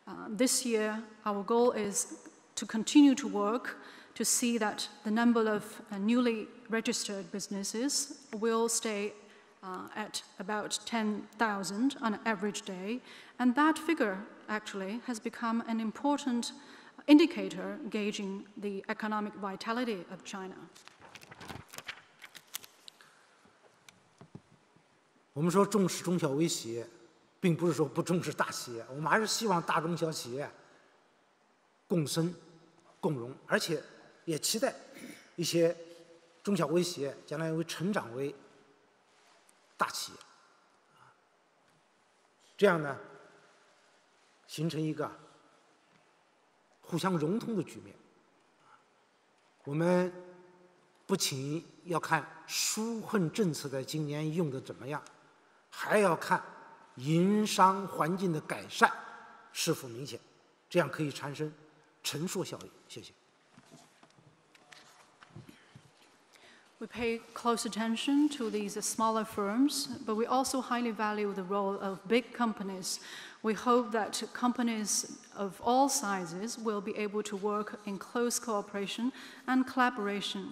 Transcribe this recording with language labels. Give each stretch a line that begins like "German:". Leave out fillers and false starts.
English: This year, our goal is to continue to work to see that the number of newly registered businesses will stay at about 10,000 on an average day. And that figure actually has become an important indicator gauging the economic vitality of China.
Chinese: 我们说重视中小微企业，并不是说不重视大企业，我们还是希望大中小企业共生共荣，而且也期待一些中小微企业将来会成长为大企业，这样呢形成一个互相融通的局面。我们不仅要看纾困政策在今年用的怎么样，还要看营商环境的改善是否明显，这样可以产生乘数效应。谢谢。
English: We pay close attention to these smaller firms, but we also highly value the role of big companies. We hope that companies of all sizes will be able to work in close cooperation and collaboration.